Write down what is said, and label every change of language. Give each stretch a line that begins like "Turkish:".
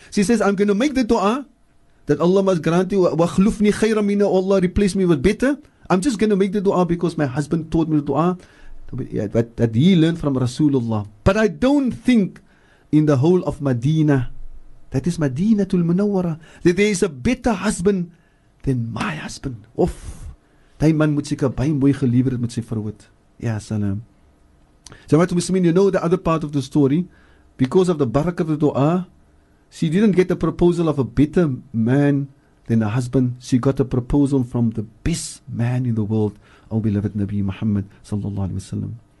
English: She says, I'm going to make the dua that Allah must grant you,
Arabic: wa khlufni khayra minna,
English: Allah replace me with better. I'm just going to make the dua because my husband taught me the dua that he learned from Rasulullah. But I don't think in the whole of Medina, that is Madinatul Munawwara, that there is a better husband than my husband. Oof.
Afrikaans: Die man moet seker baie mooi geliefd met sy vrou het. Ja, salam.
English: So what does it mean? You know the other part of the story. Because of the barakah of the dua, she didn't get a proposal of a better man than a husband. She got a proposal from the best man in the world, our beloved Nabi Muhammad sallallahu alaihi wasallam.